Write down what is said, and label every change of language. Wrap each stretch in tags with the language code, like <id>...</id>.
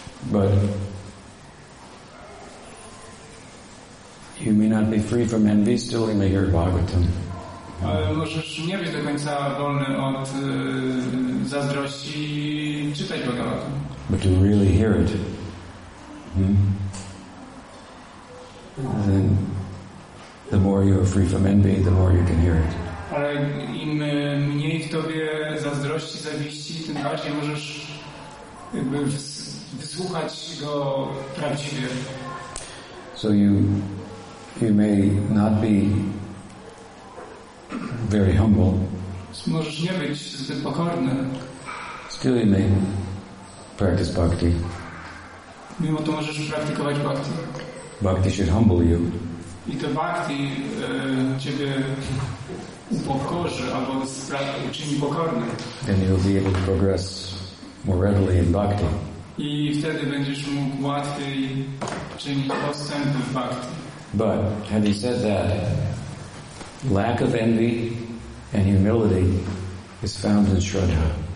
<en>But you may not be free from envy, still you may hear Bhagavatam.</en> <pl>Ale możesz nie być do końca wolny od zazdrości czytać Bhagavatam.</pl> <en>But to really hear it, then the more you are free from envy, the more you can hear it.</en> <pl>ale im mniej w tobie zazdrości, zawiści, tym bardziej możesz jakby wysłuchać go prawdziwie.</pl> <en>So you may not be very humble.</en> <pl>Możesz nie być zbyt pokorny.</pl> <en>Still you may practice bhakti.</en> <pl>Mimo to możesz praktykować bhakti.</pl> <en>Bhakti should humble you.</en> <pl>I to bhakti ciebie upokorzy albo uczyni pokorny.</pl> <en>And you'll be able to progress more readily in bhakti.</en> <pl>I wtedy będziesz mógł łatwiej czynić postęp w bhakti.</pl> <en>But having said that, lack of envy and humility is found in shraddha.</en>